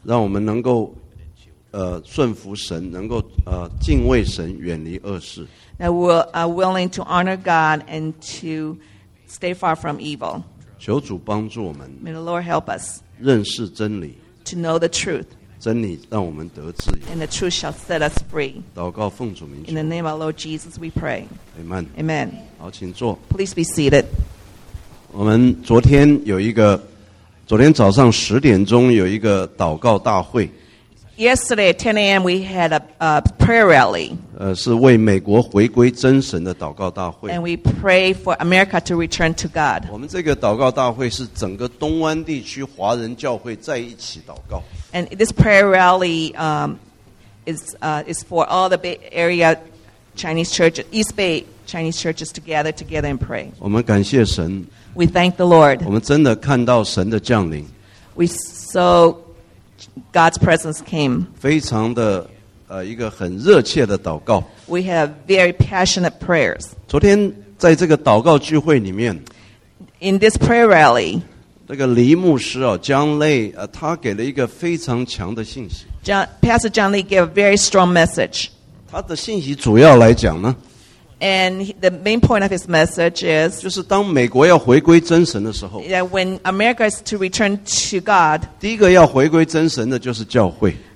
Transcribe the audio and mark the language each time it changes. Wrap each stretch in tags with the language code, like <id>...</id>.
<zh>让我们能够顺服神，能够敬畏神，远离恶事。</zh> <en>That we're willing to honor God and to stay far from evil.</en> <zh>求主帮助我们。</zh> <en>May the Lord help us.</en> <zh>认识真理。</zh> <en>To know the truth.</en> <zh>真理让我们得自由。</zh> <en>And the truth shall set us free.</en> <zh>祷告奉主名。</zh> <en>In the name of our Lord Jesus, we pray. Amen. Amen.</en> <zh>好，请坐。</zh> <en>Please be seated.</en> <zh>我们昨天有一个，昨天早上十点钟有一个祷告大会。</zh> <en>Yesterday at 10 a.m. we had a prayer rally.</en> <zh>是为美国回归真神的祷告大会。</zh> <en>And we pray for America to return to God.</en> <zh>我们这个祷告大会是整个东湾地区华人教会在一起祷告。</zh> <en>And this prayer rally is for all the Bay Area Chinese churches, East Bay Chinese churches to gather together and pray.</en> <zh>我们感谢神。</zh> <en>We thank the Lord.</en> <zh>我们真的看到神的降临。</zh> <en>We saw God's presence came.</en> <zh>非常的一个很热切的祷告。</zh> <en>We have very passionate prayers.</en> <zh>昨天在这个祷告聚会里面，</zh> <en>in this prayer rally.</en> <zh>这个黎牧师哦，江磊，他给了一个非常强的信息。</zh> <en>Pastor John Lee gave a very strong message.</en> <zh>他的信息主要来讲呢？</zh> <en>And the main point of his message is,</en> <zh>就是当美国要回归真神的时候,</zh> <en>that when America is to return to God,</en> <zh>第一个要回归真神的就是教会。</zh>